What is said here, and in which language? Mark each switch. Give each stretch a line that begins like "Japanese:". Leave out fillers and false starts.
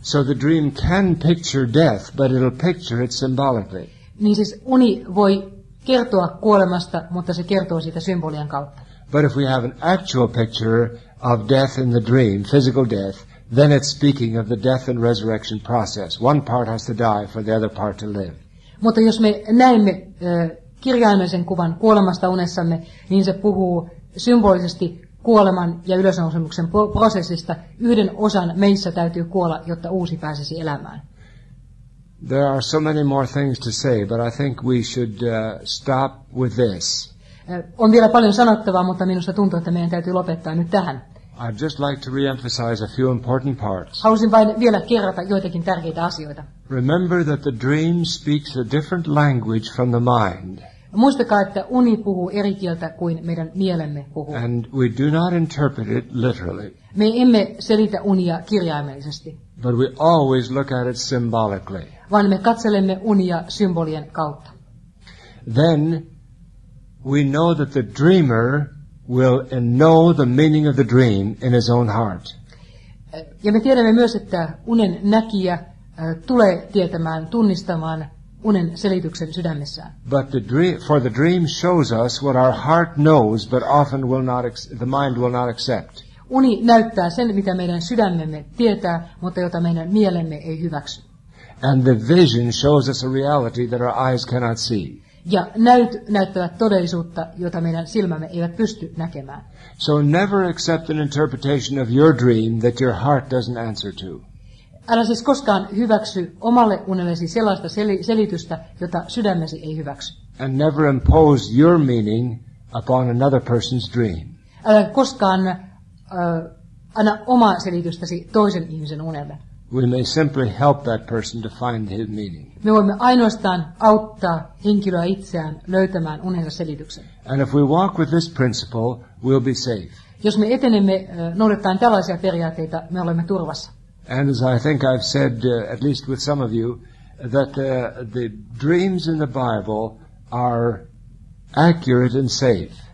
English: So the dream can picture death, but it'll picture it symbolically.
Finnish: Niin siis uni voi kertoa kuolemasta, mutta se kertoo siitä symbolian kautta.
English: But if we have an actual picture of death in the dream, physical death, then it's speaking of the death and resurrection process. One part has to die for the other part to live.
Finnish: Mutta jos me näemme kirjaimellisen kuvan kuolemasta unessamme, niin se puhuu symbolisesti kuoleman ja ylösnousemuksen prosessista. Yhden osan meissä täytyy kuolla, jotta uusi pääsisi elämään.
English: There are so many more things to say, but I think we should stop with this.
Finnish: On vielä paljon sanottavaa, mutta minusta tuntuu, että meidän täytyy lopettaa nyt tähän.
English: I'd just like to re-emphasize a few important parts.
Finnish: Haluaisin vain vielä kerrata joitakin tärkeitä asioita.
English: Remember that the dream speaks a different language from the mind.
Finnish: Muistakaa, että uni puhuu eri kieltä kuin meidän mielemme puhuu.
English: And we do not interpret it literally.
Finnish: Me emme selitä unia kirjaimellisesti.
English: But we always look at it symbolically.
Finnish: Vaan me katselemme unia symbolien kautta.
English: Then we know that the dreamer will know the meaning of the dream in his own heart.
Finnish: Ja me tiedämme myös, että unen näkijä tulee tietämään, tunnistamaan unen selityksen sydämessään.
English: But the dream shows us what our heart knows, but often the mind will not accept.
Finnish: Uni näyttää sen, mitä meidän sydämemme tietää, mutta jota meidän mielemme ei hyväksy.
English: And the vision shows us a reality that our eyes cannot see.
Finnish: Ja näyttävät todellisuutta, jota meidän silmämme eivät pysty näkemään.
English: So never accept an interpretation of your dream that your heart doesn't answer to.
Finnish: Älä siis koskaan hyväksy omalle unellesi sellaista selitystä, jota sydämesi ei hyväksy.
English: And never impose your meaning upon another person's dream.
Finnish: Älä koskaan anna omaa selitystäsi toisen ihmisen unelle.
English: We may simply help that person to find his meaning.
Finnish: Me voimme ainoastaan auttaa henkilöä itseään löytämään unensa selityksen.
English: And if we walk with this principle, we'll be safe.
Finnish: Jos me etenemme noudattaen tällaisia periaatteita, me olemme turvassa.
English: And as I think I've said, at least with some of you, that the dreams in the Bible are accurate and safe.